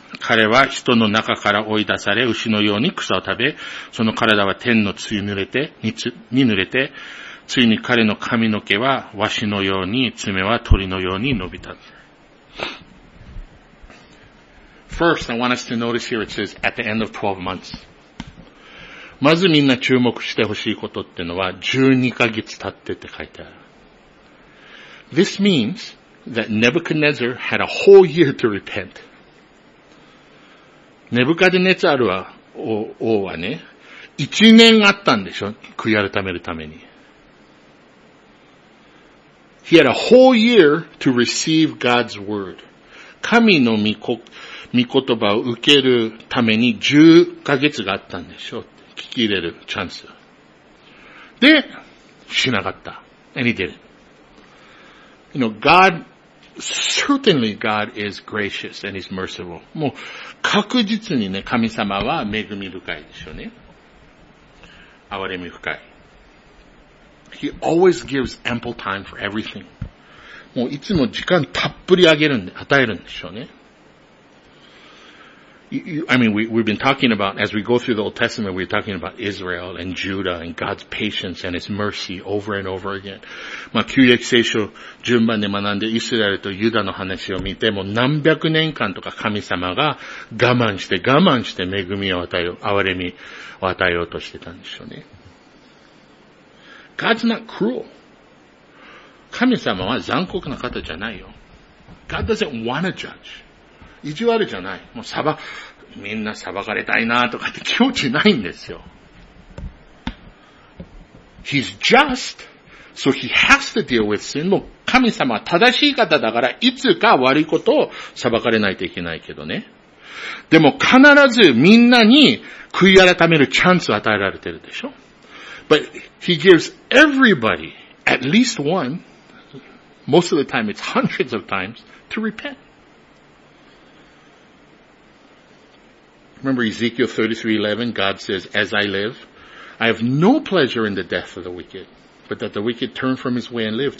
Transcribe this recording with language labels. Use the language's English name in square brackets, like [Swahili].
[Japanese] 彼は人の中から追い出され、牛のように草を食べ、その体は天の露に濡れて、ついに彼の髪の毛はワシのように、爪は鳥のように伸びた。 [English] First, I want us to notice here it says at the end of 12 months. [Japanese] まずみんな注目してほしいことってのは、12ヶ月経ってって書いてある。 [English] This means that Nebuchadnezzar had a whole year to repent. [Japanese] ネブカデネツァルは王はね、一年あったんでしょ、悔い改めるために。 [English] He had a whole year to receive God's word. [Japanese] 神の御言葉を受けるために10ヶ月があったんでしょ、聞き入れるチャンス。で、しなかった。 [English] And he did it. You know, God, certainly God is gracious and He's merciful. [Japanese] もう確実にね、神様は恵み深いでしょうね。憐れみ深い。 [English] He always gives ample time for everything. [Japanese] もういつも時間たっぷりあげるんで、与えるんでしょうね。 [English] We've been talking about, as we go through the Old Testament, we're talking about Israel and Judah and God's patience and His mercy over and over again. [Japanese] まあ、旧約聖書順番で学んでイスラエルとユダの話を見ても、何百年間とか神様が我慢して恵みを与える、憐れみを与えようとしてたんでしょうね。 [English] God's not cruel. [Japanese] 神様は残酷な方じゃないよ。 [English] God doesn't want to judge. [Japanese] 意地悪じゃない。もう裁、みんな裁かれたいなとかって気持ちないんですよ。 [English] He's just, so he has to deal with sin. [Japanese] もう神様は正しい方だから、いつか悪いことを裁かれないといけないけどね。でも必ずみんなに悔い改めるチャンスを与えられてるでしょ。 [English] But he gives everybody at least one, most of the time it's hundreds of times, to repent. Remember Ezekiel 33:11, God says, As I live, I have no pleasure in the death of the wicked, but that the wicked turn from his way and live.